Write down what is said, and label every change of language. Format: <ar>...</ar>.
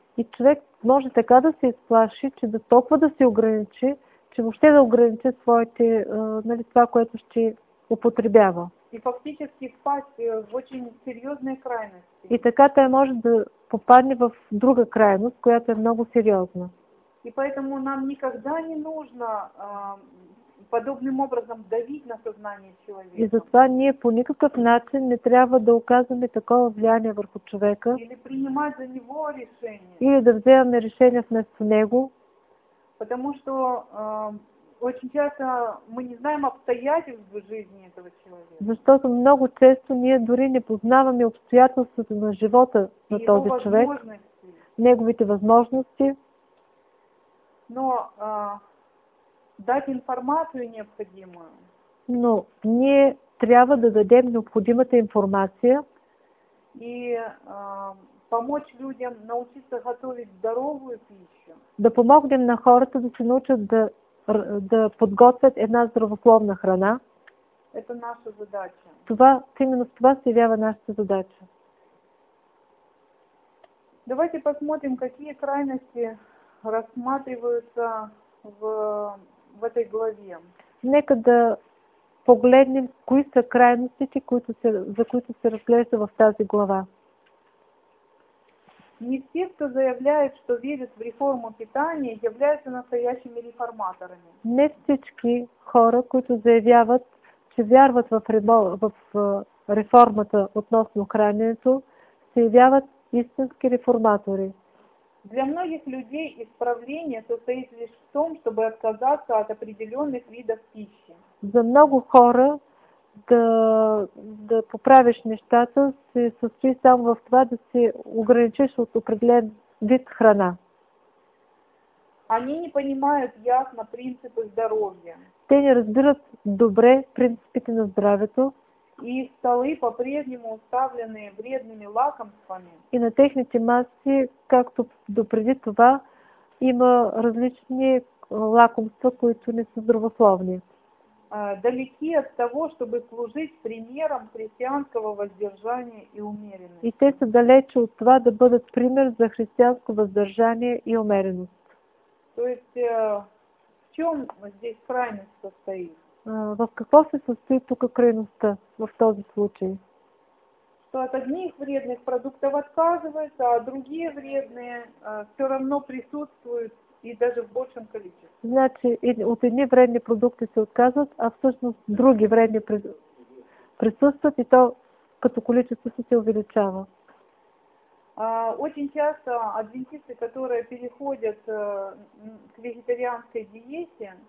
<bg>И човек може така да се изплаши, че да толкова да се ограничи, че въобще да ограничи своите, нали, това, което ще употребява.</bg> <ru>И фактически впасть в очень серьезные крайности.</ru> <bg>И така той може да попадне в друга крайност, която е много сериозна.</bg> <ru>И поэтому нам никогда не нужно подобным образом давить на сознание человека.</ru> <bg>И затова ние по никакъв начин не трябва да оказваме такова влияние върху човека.</bg> <ru>Или принимать за него решение.</ru> <bg>Или да вземаме решение вместо него.</bg> <ru>Потому что очень часто мы не знаем обстоятельств жизни этого человека.</ru> <bg>Защото много често ние дори не познаваме обстоятелствата на живота на този човек. Неговите възможности.</bg> <ru>Но дать информацию необходимую.</ru> <bg>Но ние трябва да дадем необходимата информация</bg> <ru>и помочь людям научиться готовить здоровую пищу.</ru> <bg>Да помогнем на хората да се научат да подготвят една здравословна храна.</bg> <ru>Это наша задача.</ru> <bg>Това, именно в това се явява нашата задача.</bg> <ru>Давайте посмотрим, какие крайности рассматриваются в этой главе.</ru> <bg>Нека да погледнем кои са крайностите, за които се разглежда в тази глава.</bg> <ru>Не все, кто заявляет, что верят в реформу питания, являются настоящими реформаторами.</ru> <bg>Не всички хора, които заявяват, че вярват в реформата относно храненето, се явяват истински реформатори.</bg> <ru>Для многих людей исправление состоит лишь в том, чтобы отказаться от определенных видов пищи.</ru> <bg>За много хора да поправиш нещата се състои само в това да се ограничиш от определен вид храна.</bg> <ru>Они не понимают ясно принципы здоровья.</ru> <bg>Те не разбират добре принципите на здравето.</bg> <ru>И столы по-прежнему уставлены вредными лакомствами.</ru> <bg>И на техните маси, както допреди това, има различни лакомства, които не са здравословни.</bg> <ru>Далеки от того, чтобы служить примером христианского воздержания и умеренности.</ru> <bg>И те са далече от това да бъдат пример за християнско въздържание и умереност.</bg> <ru>То есть, в чем здесь крайность состоит?</ru> <bg>В какво се състои тук крайността в този случай?</bg> <ru>Что от одних вредных продуктов отказывается, а другие вредные все равно присутствуют и даже в большем количестве.</ru> <bg>Значи, от едни вредни продукты се отказват, а всъщност други вредни</bg> <ru>присутствуют,</ru> <bg>и то като количество се увеличава.</bg> <ru>Очень часто адвентисты, которые переходят к вегетарианской диете,</ru>